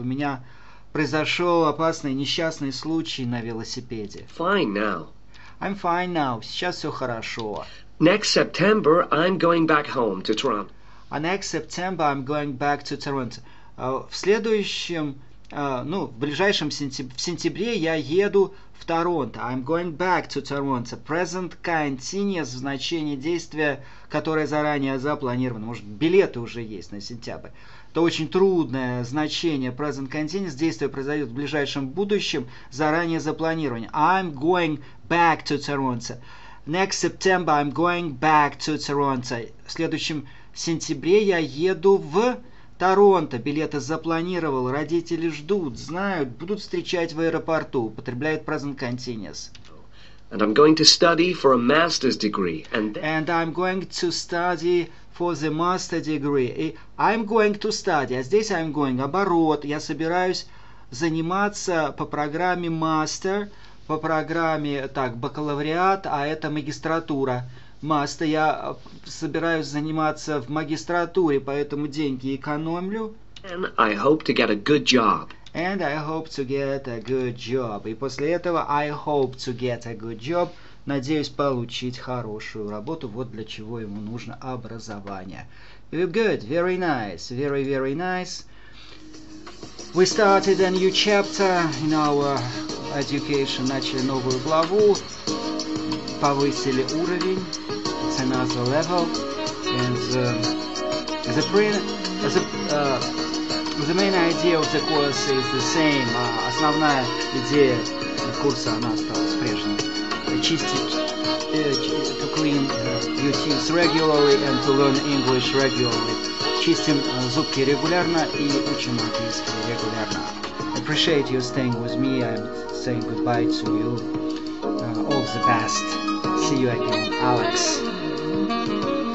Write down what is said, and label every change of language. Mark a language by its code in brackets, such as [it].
[ru] У меня произошел опасный, несчастный случай на велосипеде. [en] Fine now. I'm fine now. [ru] Сейчас все хорошо. [en] Next September I'm going back home to Toronto. Next September I'm going back to Toronto. [ru] В следующем, в ближайшем сентябре я еду в Торонто. [en] I'm going back to Toronto. Present continuous — [ru] значение действия, которое заранее запланировано. Может, билеты уже есть на сентябрь. Это очень трудное значение. Present continuous — действие произойдет в ближайшем будущем, заранее запланировано. [en] I'm going back to Toronto. Next September I'm going back to Toronto. [ru] В следующем сентябре я еду в Торонто. Билеты запланировал. Родители ждут, знают, будут встречать в аэропорту. Употребляют present continuous. [en] And I'm going to study for a master's degree. And I'm going to study for the master's degree. I'm going to study. [ru] А здесь [en] I'm going — [ru] оборот. Я собираюсь заниматься по программе master. По программе, так, бакалавриат, а это магистратура. Мастер, я собираюсь заниматься в магистратуре, поэтому деньги экономлю. [en] And I hope to get a good job. And I hope to get a good job. [ru] И после этого [en] I hope to get a good job. [ru] Надеюсь получить хорошую работу. Вот для чего ему нужно образование. [en] You're good. Very nice. Very, very nice. We started a new chapter in our education. [ru] Начали новую главу. Повысили уровень. [en] It's another level. And the main idea of the course is the same. [ru] Основная идея курса, она осталась прежней. [en] To clean your teeth regularly and to learn English regularly. [ru] Чистим зубки регулярно и учим английский регулярно. [en] Appreciate you staying with me. I'm saying goodbye to you. All the best. See you again, Alex.